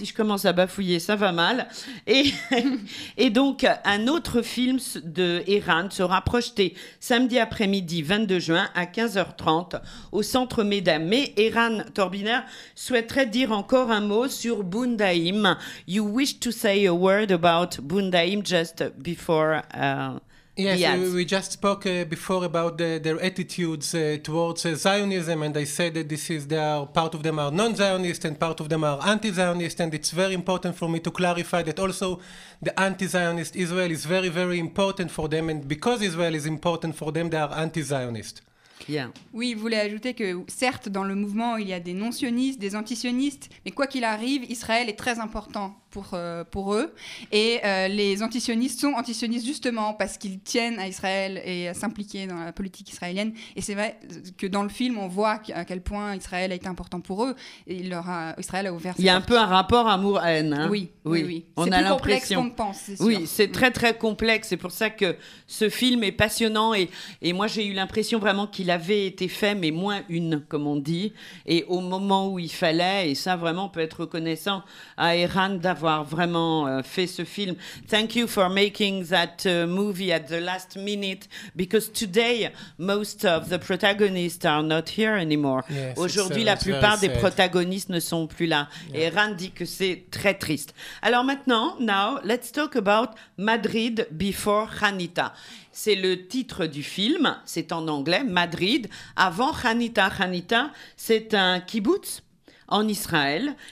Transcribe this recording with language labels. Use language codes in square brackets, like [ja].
[fr] Si je commence à bafouiller, ça va mal. Et donc un autre film de Eran sera projeté samedi après-midi 22 juin à 15h30 au Centre Médam. Mais Eran Torbiner souhaiterait dire encore un mot sur Bundaim. [en] You wish to say a word about Bundaim just before We just spoke before about their attitudes towards Zionism, and I said that part of them are non-Zionist and part of them are anti-Zionist, and it's very important for me to clarify that also the anti-Zionist Israel is very, very important for them, and because Israel is important for them, they are anti-Zionist. Yeah. [fr] Oui, il voulait ajouter que certes, dans le mouvement, il y a des non-sionistes, des anti-sionistes, mais quoi qu'il arrive, Israël est très important pour eux. Et les anti-sionistes sont anti-sionistes justement parce qu'ils tiennent à Israël et à s'impliquer dans la politique israélienne. Et c'est vrai que dans le film, on voit à quel point Israël a été important pour eux. Et Israël a ouvert ses portes. Il y a un peu un rapport amour-haine. Hein. Oui. On a l'impression. C'est plus complexe qu'on pense, c'est sûr. Oui, c'est très, très complexe. C'est pour ça que ce film est passionnant. Et moi, j'ai eu l'impression vraiment qu'il avait été fait, mais moins une, comme on dit. Et au moment où il fallait, et ça, vraiment, on peut être reconnaissant à Eran d'avoir vraiment fait ce film. [en] Thank you for making that movie at the last minute, because today most of the protagonists are not here anymore. Yes, [fr] aujourd'hui, la plupart des protagonistes ne sont plus là. Yeah. Eran dit que c'est très triste. Alors maintenant, now, let's talk about Madrid before Janita. C'est le titre du film, c'est en anglais, Madrid, avant Janita. Janita, c'est un kibbutz en Israël.